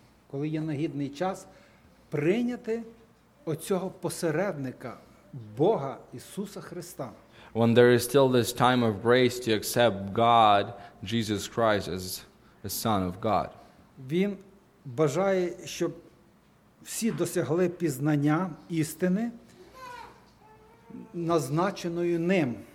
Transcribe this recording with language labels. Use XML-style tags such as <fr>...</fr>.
<uk>Коли є нагідний час прийняти оцього посередника Бога Ісуса Христа.</uk> <en>When there is still this time of grace to accept God, Jesus Christ, as the Son of God.</en> <uk>Він бажає, щоб всі досягли пізнання істини, назначеною ним.</uk>